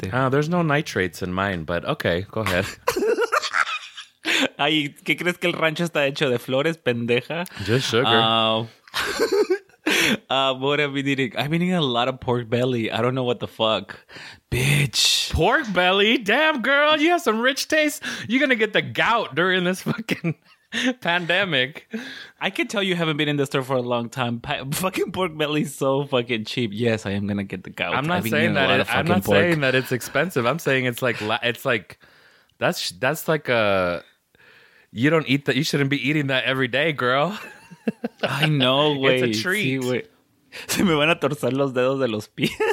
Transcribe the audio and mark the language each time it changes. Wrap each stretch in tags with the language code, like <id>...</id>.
<en>There's no nitrates in mine, but okay, go ahead.</en> <es>Ay, ¿qué crees que el rancho está hecho de flores, pendeja?</es> <en>Just sugar. What have we eating? I've been eating a lot of pork belly. I don't know what the fuck. Bitch. Pork belly? Damn, girl. You have some rich taste. You're going to get the gout during this fucking pandemic. I can tell you haven't been in the store for a long time. Fucking pork belly is so fucking cheap. Yes, I am going to get the gout. I'm not saying that. I'm not saying that it's expensive. I'm saying it's like that's like a... You don't eat that. You shouldn't be eating that every day, girl. I know, wait. It's a treat.</en> <es>Se me van a torcer los dedos de los pies.</es>